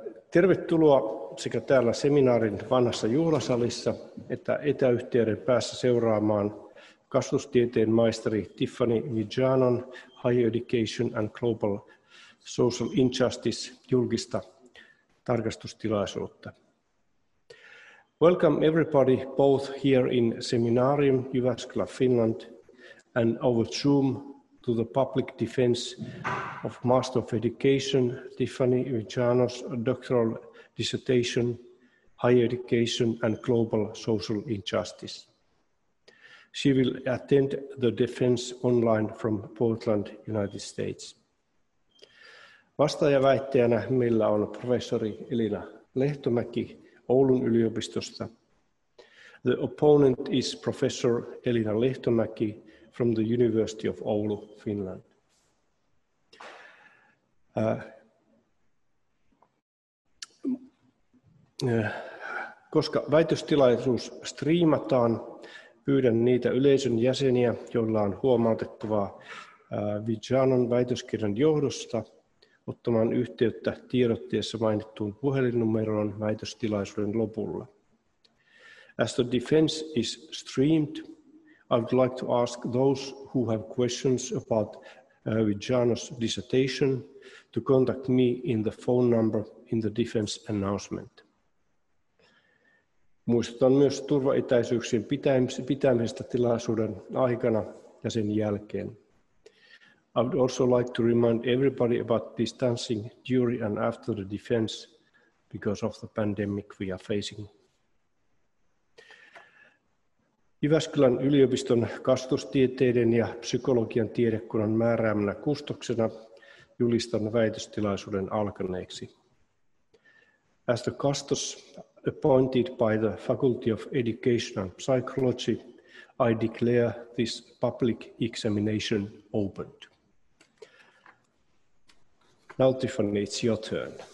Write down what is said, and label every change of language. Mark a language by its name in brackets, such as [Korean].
[Finnish] Tervetuloa sekä täällä seminaarin vanhassa juhlasalissa että etäyhteyden päässä seuraamaan kasvatustieteen maisteri Tiffany Mijanon Higher Education and Global Social Injustice julkista tarkastustilaisuutta. [English] Welcome everybody, both here in Seminarium, Jyväskylä, Finland, and over Zoom to the public defense of Master of Education, Tiffany Mijanon's doctoral dissertation, Higher Education and Global Social Injustice. She will attend the defense online from Portland, United States. [Finnish] Vastaajaväittäjänä meillä on professori Elina Lehtomäki Oulun yliopistosta. [English] The opponent is Professor Elina Lehtomäki from the University of Oulu, Finland. [Finnish] Koska väitöstilaisuus striimataan, pyydän niitä yleisön jäseniä, joilla on huomautettavaa Mijanon väitöskirjan johdosta, ottamaan yhteyttä tiedotteessa mainittuun puhelinnumeroon väitöstilaisuuden lopulla. [English] As the defense is streamed, I would like to ask those who have questions about Mijanon's dissertation to contact me in the phone number in the defense announcement. [Finnish] Muistutan myös turvaetäisyyksien pitämisestä tilaisuuden aikana ja sen jälkeen. [English] I would also like to remind everybody about distancing during and after the defense because of the pandemic we are facing. [Finnish] Jyväskylän yliopiston kasvatustieteiden ja psykologian tiedekunnan määräämänä kustoksena julistan väitöstilaisuuden alkaneeksi. [English] As the custos appointed by the Faculty of Education and Psychology, I declare this public examination opened. Now, Tiffany, it's your turn.